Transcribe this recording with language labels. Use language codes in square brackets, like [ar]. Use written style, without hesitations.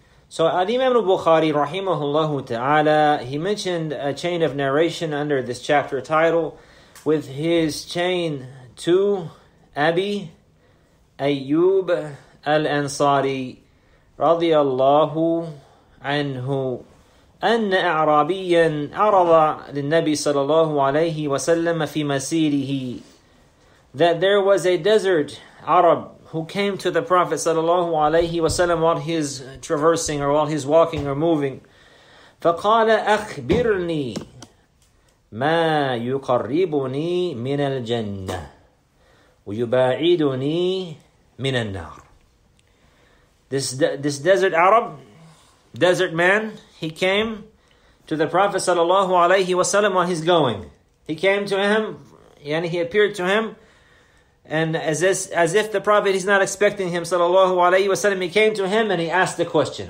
[en] So al-Imam al-Bukhari rahimahullahu ta'ala, he mentioned a chain of narration under this chapter title with his chain to Abi Ayyub al-Ansari radiyallahu anhu. [ar] أن أعرابيا عرض للنبي صلى الله عليه وسلم في مسيره. [en] That there was a desert Arab who came to the Prophet [ar] صلى الله عليه وسلم [en] while he's traversing or while he's walking or moving. [ar] فقال أخبرني ما يقربني من الجنة ويبعدني من النار. [en] This desert Arab, desert man, he came to the Prophet sallallahu alayhi wa sallam while he's going. He came to him, yani he appeared to him, and as if the Prophet, he's not expecting him sallallahu alayhi wa sallam, he came to him and he asked the question.